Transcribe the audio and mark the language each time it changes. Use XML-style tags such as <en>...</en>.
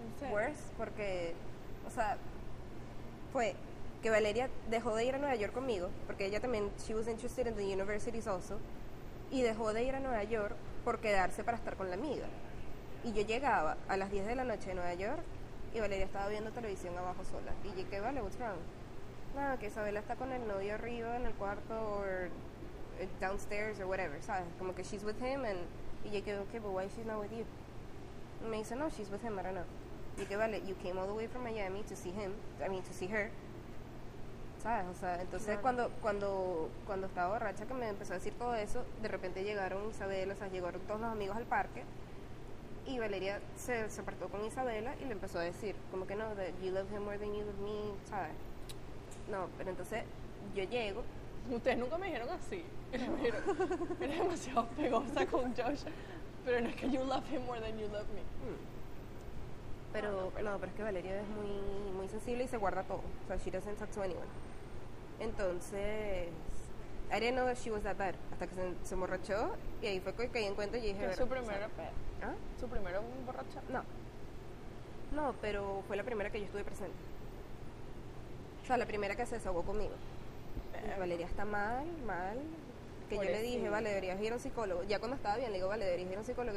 <es>worst, porque, o sea, fue que Valeria dejó de ir a Nueva York conmigo, porque ella también,</es> <en>she was interested in the universities also,</en> <es>y dejó de ir a Nueva York por quedarse para estar con la amiga. Y yo llegaba a las 10 de la noche de Nueva York y Valeria estaba viendo televisión abajo sola. Y dije, vale,</es> <en>what's wrong?</en> <es>Nada, que Isabela está con el novio arriba en el cuarto,</es> <en>or downstairs, or whatever,</en> <es>¿sabes? Como que</es> <en>she's with him, and,</en> <es>y yo dije,</es> <en>okay, but why she's not with you?</en> <es>Y me dice, no,</es> <en>she's with him, I don't know.</en> <es>Y dije, vale,</es> <en>you came all the way from Miami to see him, I mean, to see her,</en> <es>¿sabes? O sea, entonces claro. cuando estaba borracha, que me empezó a decir todo eso, de repente llegaron Isabela, o sea, llegaron todos los amigos al parque, y Valeria se apartó con Isabela y le empezó a decir, como que no,</es> <en>that you love him more than you love me,</en> <es>¿sabes? No, pero entonces yo llego. Ustedes nunca me dijeron así. No. Era demasiado pegosa con Josh. Pero no es que</es> <en>you love him more than you love me.</en> <es>Pero no, pero es que Valeria es muy, muy sensible y se guarda todo. O sea,</es> <en>she doesn't talk to anyone.</en> <es>Entonces,</es> <en>I didn't know that she was that bad.</en> <es>Hasta que se emborrachó. Y ahí fue que caí en cuenta y dije, ¿es su primera peda? ¿Ah? ¿Su primera borracha? No. No, pero fue la primera que yo estuve presente. O sea, la primera que se desahogó conmigo. Valeria está mal. Que por yo le dije, sí. Vale, deberías ir a un psicólogo. Ya cuando estaba bien, le digo, vale, deberías ir a un psicólogo.</es>